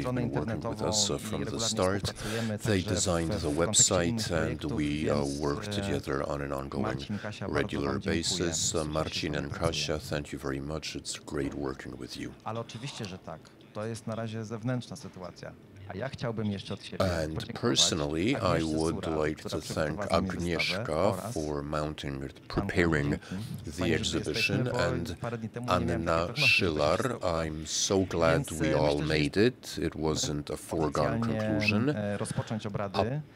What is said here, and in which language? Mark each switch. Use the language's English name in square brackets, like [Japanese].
[English] They've been working with us from the start. They designed the website and we work together on an ongoing regular basis. Marcin and Kasia, thank you very much. It's great working with you. [Polish] Ale oczywiście, że tak. To jest na razie zewnętrzna sytuacja. A ja chciałbym jeszcze od siebie [English] and personally, Agnieszka I would Sura, like to thank Agnieszka for mounting, preparing the exhibition, and Anna Szylar. I'm so glad we all made it. It wasn't a foregone conclusion. [Polish] Rozpocząć obrady.